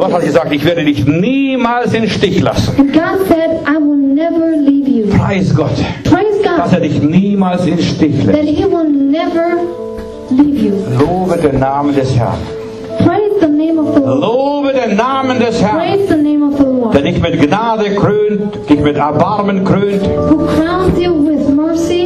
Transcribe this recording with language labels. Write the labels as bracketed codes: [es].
[de] Gott hat gesagt, ich werde dich niemals in den Stich lassen. [en] And God said, I will never leave you. [de] Preis Gott. [en] Praise God. [de] Dass er dich niemals in den Stich lässt. [en] That he will never leave you. [de] Lobe den Namen des Herrn. [en] Praise the name of the Lord. [de] Lobe den Namen des Herrn. [en] Praise the name of the Lord. [de] Der dich mit Gnade krönt, dich mit Erbarmen krönt. [en] Who crowns you with mercy.